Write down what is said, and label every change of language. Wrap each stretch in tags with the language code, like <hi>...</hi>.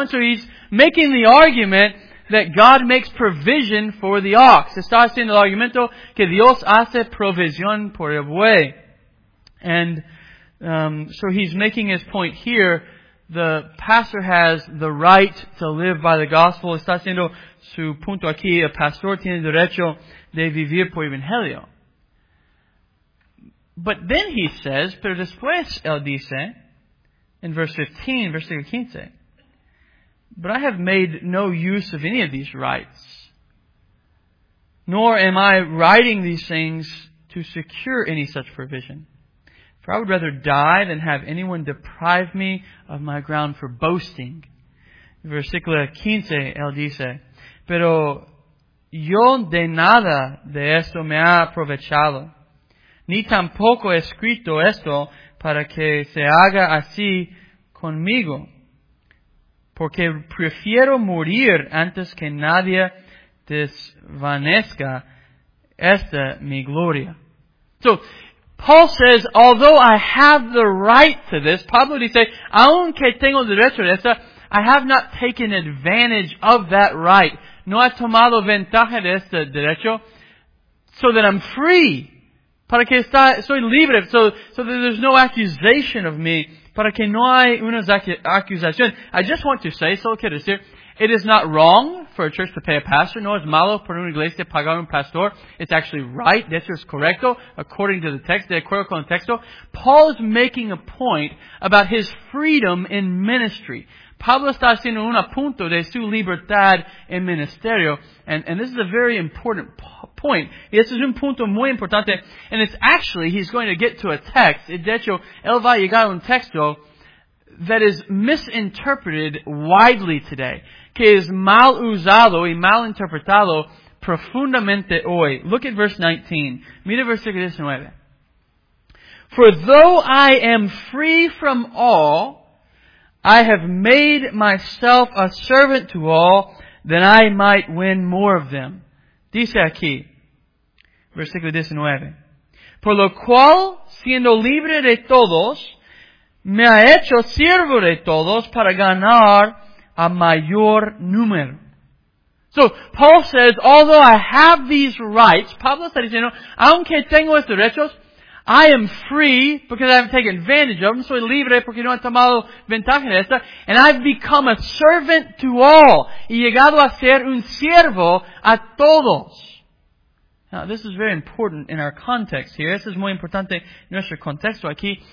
<en>And so he's making the argument that God makes provision for the ox.</en> <es>Está haciendo el argumento que Dios hace provisión por el buey.</es> <en>And so he's making his point here. The pastor has the right to live by the gospel.</en> <es>Está haciendo su punto aquí. El pastor tiene derecho de vivir por evangelio.</es> <en>But then he says,</en> <es>pero después él dice,</es> <en>in verse 15, but I have made no use of any of these rights, nor am I writing these things to secure any such provision. For I would rather die than have anyone deprive me of my ground for boasting.</en> <es>Versículo 15, él dice, pero yo de nada de esto me ha aprovechado. Ni tampoco he escrito esto para que se haga así conmigo. Porque prefiero morir antes que nadie desvanezca esta mi gloria.</es> <en>So, Paul says, although I have the right to this,</en> <es>Pablo dice, aunque tengo derecho de esta,</es> <en>I have not taken advantage of that right.</en> <es>No he tomado ventaja de este derecho,</es> <en>so that I'm free.</en> <es>Para que está, soy libre,</es> <en>so that there's no accusation of me.</en> <es>Para que no hay una acusación.</es> <en>I just want to say,</en> <es>solo quiero decir,</es> <en>it is not wrong for a church to pay a pastor,</en> <es>no es malo por una iglesia pagar un pastor.</es> <en>It's actually right,</en> <es>de hecho es correcto,</es> <en>according to the text,</en> <es>de acuerdo con el texto.</es> <en>Paul is making a point about his freedom in ministry.</en> <es>Pablo está haciendo un apunto de su libertad en ministerio.</es> <en>And this is a very important point.</en> <es>Y este es un punto muy importante.</es> <en>And it's actually, he's going to get to a text.</en> <es>De hecho, él va a llegar a un texto</es> <en>that is misinterpreted widely today.</en> <es>Que es mal usado y mal interpretado profundamente hoy.</es> <en>Look at verse 19.</en> <es>Mira versículo 19.</es> <en>For though I am free from all, I have made myself a servant to all, that I might win more of them.</en> <es>Dice aquí, versículo 19. Por lo cual, siendo libre de todos, me ha hecho siervo de todos para ganar a mayor número.</es> <en>So Paul says, although I have these rights,</en> <es>Pablo está diciendo, aunque tengo estos derechos,</es> <en>I am free because I haven't taken advantage of them.</en> <es>Soy libre porque no he tomado ventaja de esta.</es> <en>And I've become a servant to all.</en> <es>He llegado a ser un siervo a todos.</es> <en>Now, this is very important in our context here. This is</en> <es>muy importante en nuestro contexto aquí.</es>